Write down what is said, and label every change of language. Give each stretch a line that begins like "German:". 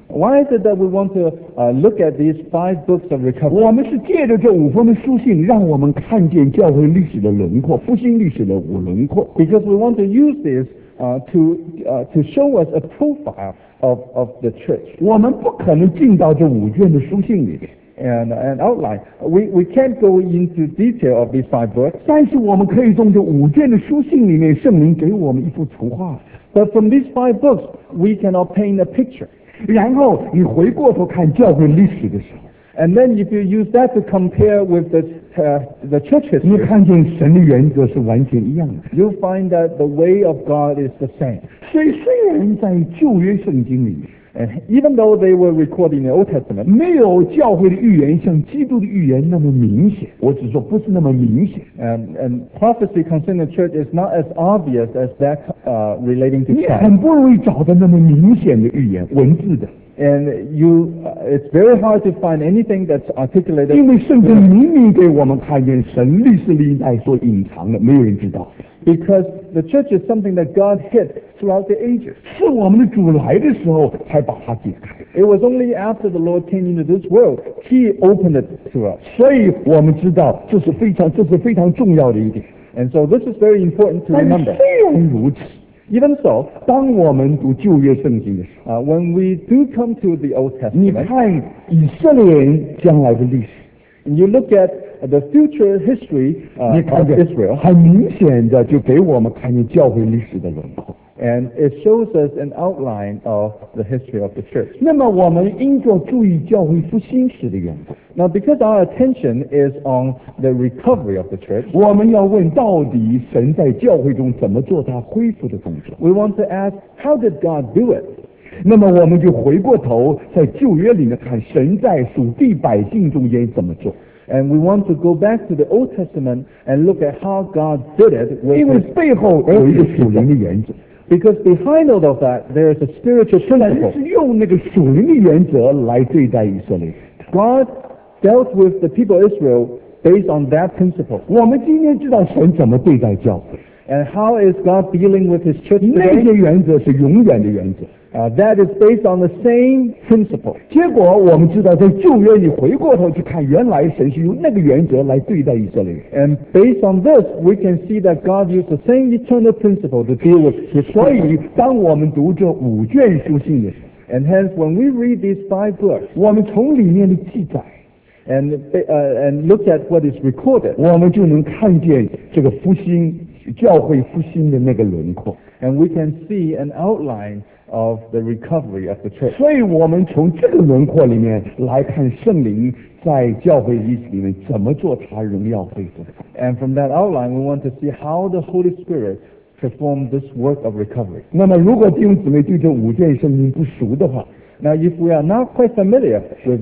English: Why is it that we want to look at these five books of recovery?
Chinese: 我们是借着这五封的书信，让我们看见教会历史的轮廓，复兴历史的轮廓。
English: Because we want to use this to show us a profile of the church.
Chinese: 我们不可能进到这五卷的书信里面。
English: An outline. We can't go into detail of these five books.
Chinese: 但是我们可以从这五卷的书信里面，圣灵给我们一幅图画。
English: But from these five books, we can obtain a picture.
Chinese: 然后你回过头看教会历史的时候。
English: And then if you use that to compare with the church history,
Chinese: 你看见神的原则是完全一样的。
English: You'll find that the way of God is the same.
Chinese: 所以虽然在旧约圣经里面，
English: And even though they were recorded in the Old Testament,
Chinese: 没有教会的预言像基督的预言那么明显。我只说不是那么明显。
English: And prophecy concerning the church is not as obvious as that relating to Christ.
Chinese: 你很不容易找到那么明显的预言，文字的。
English: And it's very hard to find anything that's articulated.
Chinese: 因为圣经明明给我们看见神历史历代所隐藏的，没有人知道。
English: Because the church is something that God hid throughout the ages.
Chinese: 是我们的主来的时候才把它解开。
English: It was only after the Lord came into this world, He opened it to us.
Chinese: 所以我们知道这是非常重要的一点。
English: And so this is very important to remember.
Chinese: 但虽然如此。
English: Even so,
Chinese: 当我们读旧约圣经的时候
English: when we do come to the Old Testament,
Chinese: 你看以色列人将来的历史
English: and you look at the future history of Israel,
Chinese: 很明显的就给我们看见教会历史的轮廓
English: and it shows us an outline of the history of the church.
Chinese: 那么我们应该注意教会复兴时的缘故
English: Now because our attention is on the recovery of the church,
Chinese: 我们要问到底神在教会中怎么做他恢复的工作
English: We want to ask, how did God do it?
Chinese: 那么我们就回过头在旧约里面看神在属地百姓中间怎么做
English: And we want to go back to the Old Testament and look at how God did it.
Chinese: 因为背后有一个属灵的原则。
English: Because behind all of that, there is a spiritual principle.
Chinese: 神是用那个属灵的原则来对待以色列。
English: God dealt with the people of Israel based on that principle.
Chinese: 我们今天知道神怎么对待教会。
English: And how is God dealing with his church today?
Chinese: 那些原则是永远的原则。
English: That is based on the same principle.
Chinese: 结果我们知道在旧约你回过头去看原来神是用那个原则来对待以色列人。
English: And based on this, we can see that God used the same eternal principle to deal with his people.
Chinese: 所以当我们读这五卷书信的时候
English: And hence, when we read these five books,
Chinese: 我们从里面的记载
English: and look at what is recorded,
Chinese: 我们就能看见这个复兴教会复兴的那个轮廓
English: And we can see an outline of the recovery of the church
Chinese: 所以我们从这个轮廓里面来看圣灵在教会历史里面怎么做他荣耀恢复
English: And from that outline we want to see how the Holy Spirit performed this work of recovery
Chinese: 那么如果弟兄姊妹对这五卷圣经不熟的话
English: Now if we are not quite familiar with